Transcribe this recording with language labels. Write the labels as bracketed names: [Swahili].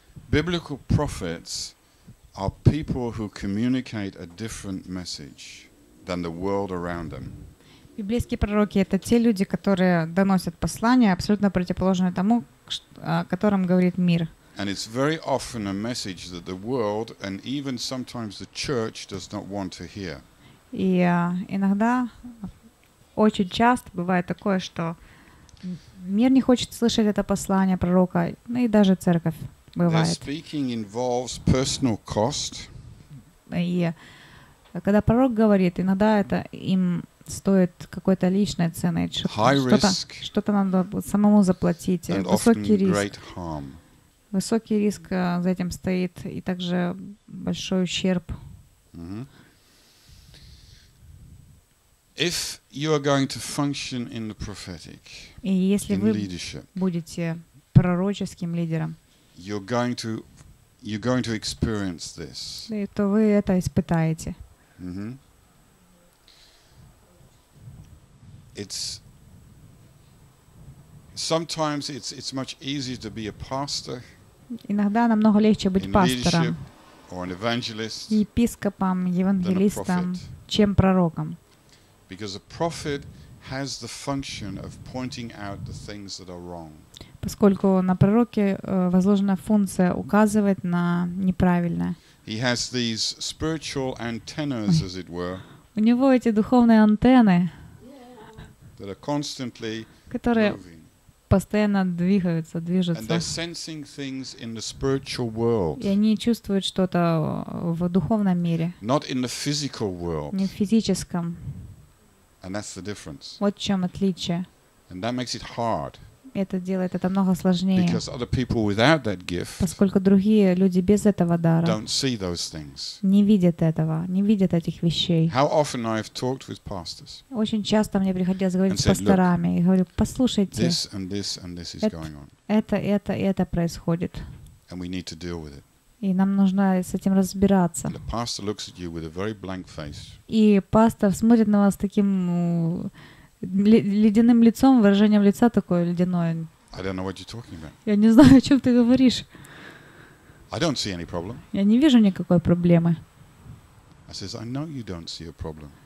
[English] Biblical prophets are people who communicate a different message than the world around them. [Russian] Библейские пророки — это те люди, которые доносят послание абсолютно противоположное тому, о котором говорит мир. [English] And it's very often a message that the world and even sometimes the church does not want to hear. [Russian] И иногда очень часто бывает такое, что мир не хочет слышать это послание пророка, ну и даже церковь. Бывает. [English] Their speaking involves personal cost. [Russian] И когда пророк говорит, иногда это им стоит какой-то личной цены, что-то надо самому заплатить, [English] and [Russian] высокий [English] often [Russian] риск. [English] Great harm. [Russian] Высокий риск за этим стоит, и также большой ущерб. Mm-hmm. [English] If you are going to function in the prophetic, [Russian] и если [English] in [Russian] вы [English] leadership, [Russian] будете пророческим лидером, [English] You're going to experience this. [Russian] И то вы это испытаете. Mm-hmm. [English] It's sometimes it's much easier to be a pastor. [Russian] Иногда намного легче быть пастором. [English] Or an evangelist. [Russian] Епископом, евангелистом, чем пророком. [English] Because a prophet has the function of pointing out the things that are wrong. [Russian] Поскольку на пророке возложена функция указывать на неправильное. [English] He has these spiritual antennas, as it were. [Russian] У него эти духовные антенны, [English] that are constantly [Russian] которые [English] moving. [Russian] Постоянно движутся. [English] And they're sensing things in the spiritual world. [Russian] И они чувствуют что-то в духовном мире. [English] Not in the physical world. [Russian] Не в физическом. [English] And that's the difference. [Russian] Вот в чем отличие. [English] And that makes it hard. [Russian] Это делает это намного сложнее. [English] Because other people without that gift, [Russian] поскольку другие люди без этого дара [English] don't see those things. [Russian] Не видят этого, не видят этих вещей. [English] How often I've talked with pastors, [Russian] очень часто мне приходилось говорить с пасторами и говорю, послушайте, это происходит. [English] And we need to deal with it. [Russian] И нам нужно с этим разбираться. [English] And the pastor looks at you with a very blank face. [Russian] И пастор смотрит на вас таким ледяным лицом, выражением лица такое ледяное. [English] I don't know what you're talking about. [Russian] Я не знаю, о чем ты говоришь. [English] I don't see any problem. [Russian] Я не вижу никакой проблемы. [English] I says, I know you don't see a problem.